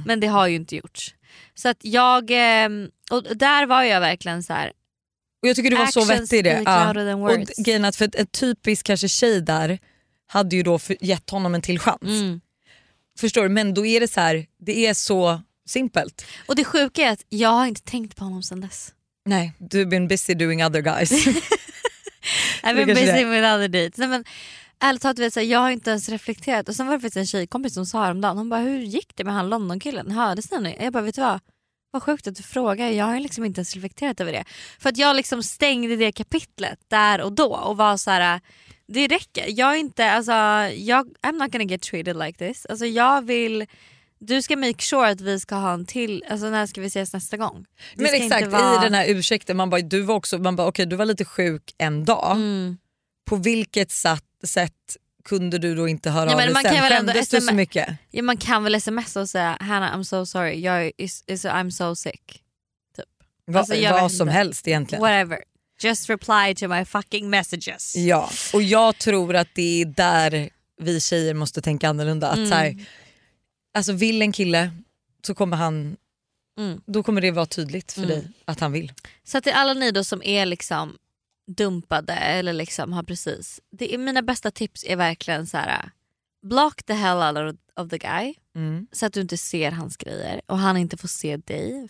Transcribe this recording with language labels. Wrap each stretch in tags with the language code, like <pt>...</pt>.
<sv>Men det har ju inte gjorts. Så att jag, och där var jag verkligen så här. Och jag tycker du var så vettig i det. Ja. Och grejen att för ett typiskt kanske tjej där hade ju då gett honom en till chans. Mm. Förstår du? Men då är det så här, det är så simpelt. Och det sjuka är att jag har inte tänkt på honom sedan dess. Nej,</sv> <en>you've been busy doing other guys. I've been busy with other dates.</en> <sv>Nej, men ärligt talat, vet, så här, jag har inte ens reflekterat. Och sen var det faktiskt en tjejkompis som sa häromdagen. Hon bara, hur gick det med han London-killen? Hördes den nu? Jag bara, vet du vad? Vad sjukt att du frågar. Jag har liksom inte ens reflekterat över det. För att jag liksom stängde det kapitlet där och då. Och var så här, det räcker. Jag är inte, alltså,</sv> <en>I'm not gonna get treated like this.</en> <sv>Alltså jag vill... Du ska</sv> <en>make sure</en> <sv>att vi ska ha en till, alltså när ska vi ses nästa gång? Det men exakt, vara... i den här ursäkten, man bara, du var också, man bara, okej, du var lite sjuk en dag. Mm. På vilket sätt kunde du då inte höra av dig sen? Skämdes du så mycket? Ja, man kan väl smsa och säga, Hannah,</sv> <en>I'm so sorry, I'm so sick.</en> <sv>Typ. Vad som helst egentligen.</sv> <en>Whatever. Just reply to my fucking messages.</en> <sv>Ja, och jag tror att det är där vi tjejer måste tänka annorlunda. Att såhär, alltså vill en kille så kommer han, då kommer det vara tydligt för dig att han vill. Så att till alla ni då som är liksom dumpade eller liksom har precis, det är mina bästa tips är verkligen så här:</sv> <en>block the hell out of the guy</en> <sv>så att du inte ser hans grejer och han inte får se dig.</sv>